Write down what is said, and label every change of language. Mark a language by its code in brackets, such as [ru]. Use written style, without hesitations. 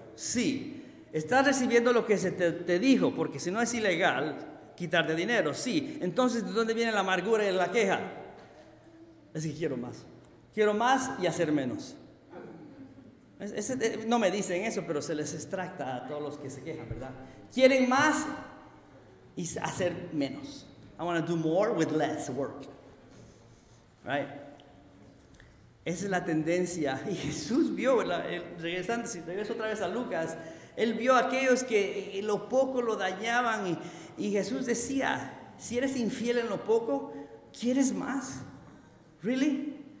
[es] Sí, estás recibiendo lo que se te dijo, porque si no es ilegal quitarte dinero. Sí, entonces, ¿de dónde viene la amargura y la queja? Es que quiero más. Quiero más y hacer menos. No me dicen eso, pero se les extracta a todos los que se quejan, ¿verdad? Quieren más y hacer menos. [en] I want to do more with less work. [es] Right? Esa es la tendencia. Y Jesús vio, regresando, si regreso otra vez a Lucas, Él vio a aquellos que lo poco lo dañaban. Y Jesús decía: si eres infiel en lo poco, ¿quieres más? ¿Really?